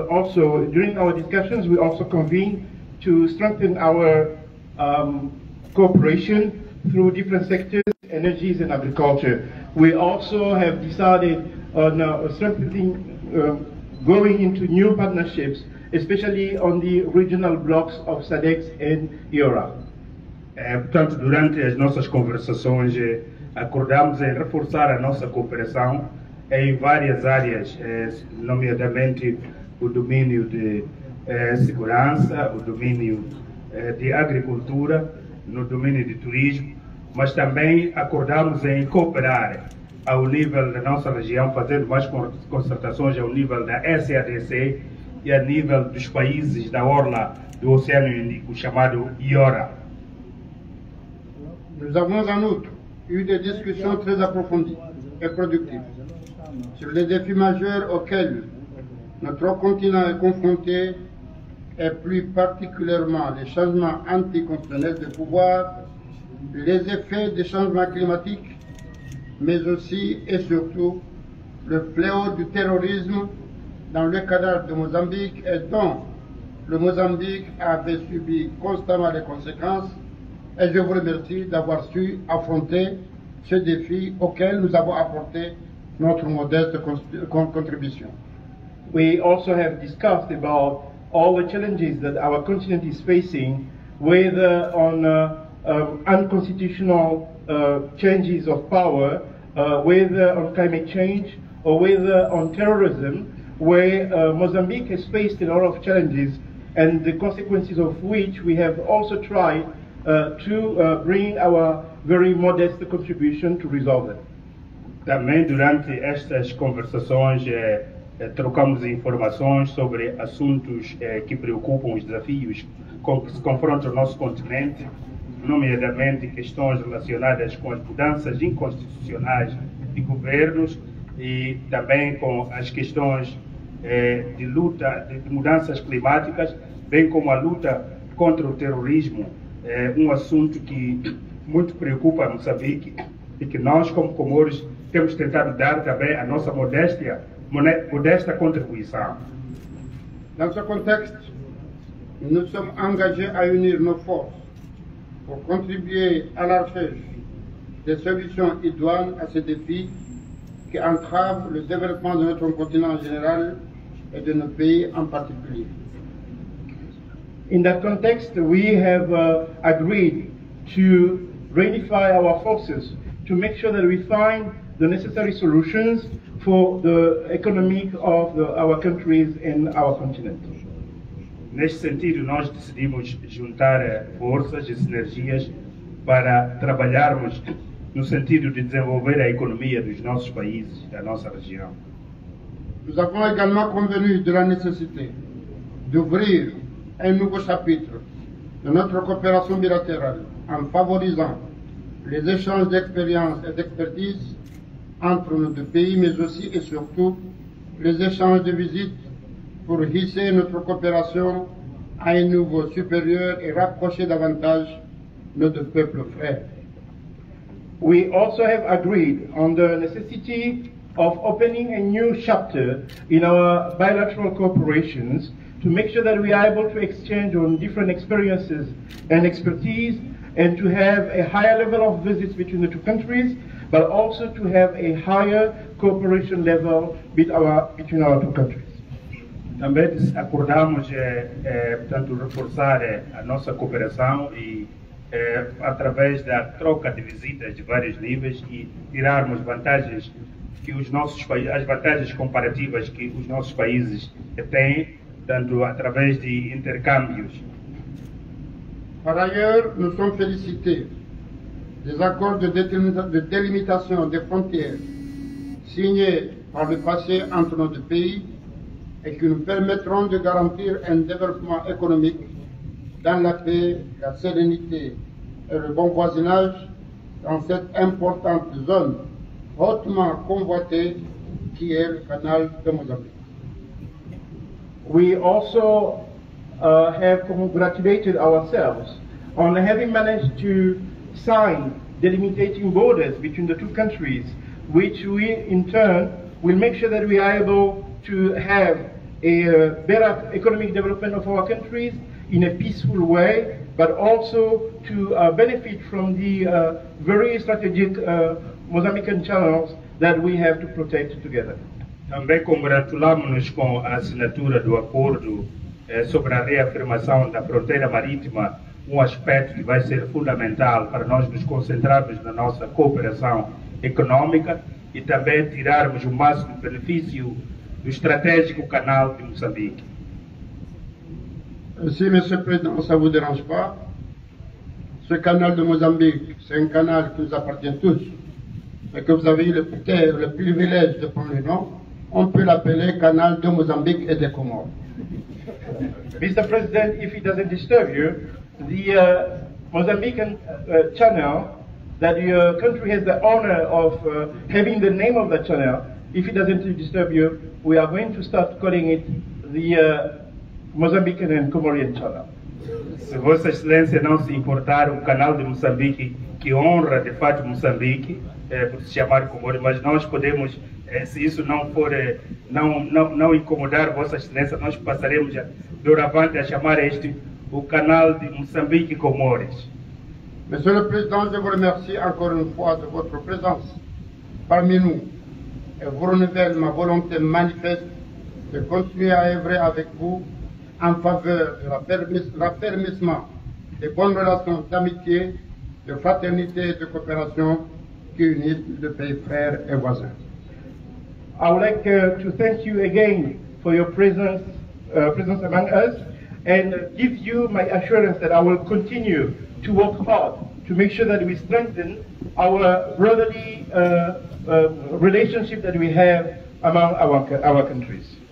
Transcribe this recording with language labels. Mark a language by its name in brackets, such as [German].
[English] During our discussions, we also convened to strengthen our cooperation through different sectors, energies and agriculture. We also have decided on strengthening, going into new partnerships, especially on the regional blocks of SADC and IORA. [Portuguese] Portanto, durante as nossas conversações, acordamos em reforçar a nossa cooperação em várias áreas, nomeadamente o domínio de segurança, o domínio de agricultura, no domínio de turismo, mas também acordamos em cooperar ao nível da nossa região, fazendo mais concertações ao nível da SADC e a nível dos países da orla do Oceano Índico, chamado IORA. Nós temos, em outro, uma discussão [French] très [Portuguese] aprofundada [French] e produtiva sur les défis majeurs auxquels notre continent est confronté, et plus particulièrement les changements anticonstitutionnels de pouvoir, les effets des changements climatiques, mais aussi et surtout le fléau du terrorisme dans le cadre de Mozambique et dont le Mozambique avait subi constamment les conséquences. Et je vous remercie d'avoir su affronter ce défi auquel nous avons apporté notre modeste contribution. [English] We also have discussed about all the challenges that our continent is facing, whether on unconstitutional changes of power, whether on climate change, or whether on terrorism, where Mozambique has faced a lot of challenges, and the consequences of which we have also tried to bring our very modest contribution to resolve them. [Portuguese] Também durante estas conversações trocamos informações sobre assuntos que preocupam os desafios com que se confronta o nosso continente, nomeadamente questões relacionadas com as mudanças inconstitucionais de governos e também com as questões de luta, de mudanças climáticas, bem como a luta contra o terrorismo, um assunto que muito preocupa Moçambique e que nós, como Comores, temos tentado dar também a nossa modesta contribuição. [French] Dans ce contexte, nous sommes engagés à unir nos forces pour contribuer à la recherche des solutions idoines à ces défis qui entravent le développement de notre continent en général et de nos pays en particulier. [English] In that context, we have agreed to reunify our forces to make sure that we find the necessary solutions for the economy of our countries and our continent. [Portuguese] Neste sentido, nós decidimos juntar forças e sinergias para trabalharmos no sentido de desenvolver a economia dos nossos países, da nossa região. [French] Nous avons également convenu de la nécessité d'ouvrir un nouveau chapitre de notre coopération bilatérale en favorisant les échanges d'expériences et d'expertise entre nos deux pays, mais aussi et surtout les échanges de visites pour hisser notre coopération à un niveau supérieur et rapprocher davantage nos deux peuples frères. [English] We also have agreed on the necessity of opening a new chapter in our bilateral cooperations to make sure that we are able to exchange on different experiences and expertise and to have a higher level of visits between the two countries, but also to have a higher cooperation level between our two countries. [Portuguese] Também acordamos portanto reforçar a nossa cooperação e através da troca de visitas de vários níveis e tirarmos vantagens que os nossos as vantagens comparativas que os nossos países têm, tanto através de intercâmbios. [French] Par ailleurs, nous sommes félicités des accords de délimitation des frontières signés par le passé entre nos deux pays et qui nous permettront de garantir un développement économique dans la paix, la sérénité et le bon voisinage dans cette importante zone hautement convoitée qui est le canal de Mozambique. [English] We also have congratulated ourselves on having managed to sign delimiting borders between the two countries, which we in turn will make sure that we are able to have a better economic development of our countries in a peaceful way, but also to benefit from the very strategic Mozambican channels that we have to protect together. [Portuguese] Também congratulamos-nos com a assinatura do acordo sobre a reafirmação da fronteira marítima, um aspecto que vai ser fundamental para nós nos concentrarmos na nossa cooperação económica e também tirarmos o máximo benefício do estratégico canal de Moçambique. [French] Sim, [English] Mr. President, [French] ça vous dérange pas? Ce canal de Moçambique, c'est un canal que nous appartient tous. Et que vous avez eu le privilège de prendre le nom, on peut l'appeler canal de Moçambique et des Comores. [English] Mr. President, if it doesn't disturb you, the Mozambican channel that your country has the honor of having the name of the channel, if it doesn't disturb you, we are going to start calling it the Mozambican and Comorian channel. [Portuguese] Se Vossa Excelência não se importar, o canal de Moçambique, que honra de fato Moçambique, por se chamar Comores, mas nós podemos, se isso não for, não incomodar Vossa Excelência, nós passaremos doravante a chamar este o canal de Moçambique e Comores. [French] Monsieur le Président, je vous remercie encore une fois de votre présence parmi nous et vous renouvelle ma volonté manifeste de continuer à œuvrer avec vous en faveur de l'affermissement des bonnes relations d'amitié, de fraternité et de coopération qui unissent les pays frères et voisins. [English] I would like to thank you again for your presence among us and give you my assurance that I will continue to work hard to make sure that we strengthen our brotherly relationship that we have among our countries.